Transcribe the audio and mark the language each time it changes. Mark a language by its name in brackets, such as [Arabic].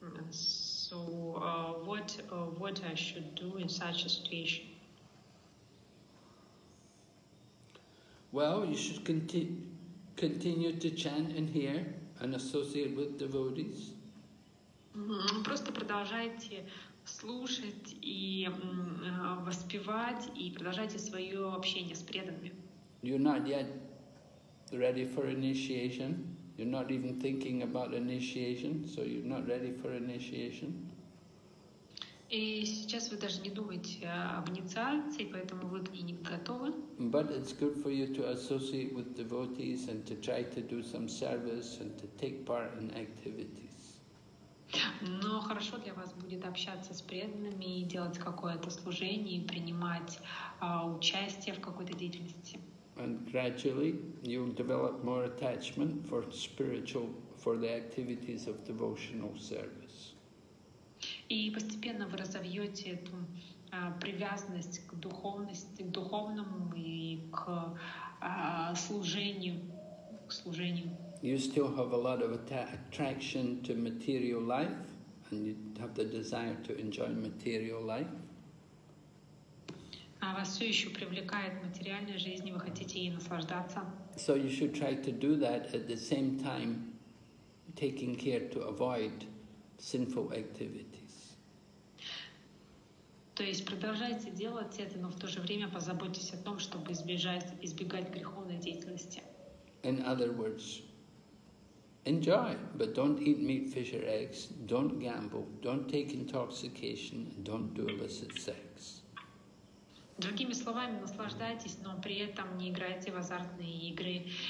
[English] So what I should do in such a situation? Well, you should continue to chant in here and associate with devotees. [Russian] Просто продолжайте слушать и воспевать и продолжайте свое общение с преданными. [English] You're not yet ready for initiation. You're not even thinking about initiation, so you're not ready for initiation. [Russian] И сейчас вы даже не думаете об инициации, поэтому вы и не готовы. [English] But it's good for you to associate with devotees and to try to do some service and to take part in activities. [Russian] Но хорошо для вас будет общаться с преданными и делать какое-то служение, и принимать участие в какой-то деятельности. [English] And gradually you'll develop more attachment for spiritual, for the activities of devotional service. [Russian] И постепенно вы разовьете эту привязанность к духовности, к духовному и к служению, к служению. [English] You still have a lot of attraction to material life, and you have the desire to enjoy material life. [Russian] А вас все еще привлекает материальная жизнь, и вы хотите ей наслаждаться. [English] So you should try to do that at the same time, taking care to avoid sinful activity. [Russian] То есть продолжайте делать это, но в то же время позаботьтесь о том, чтобы избегать греховной деятельности. [English] In other words, enjoy, but don't eat meat, fish or eggs, don't gamble, don't take intoxication, don't do illicit sex. [Russian] Другими словами, наслаждайтесь, но при этом не играйте в азартные игры,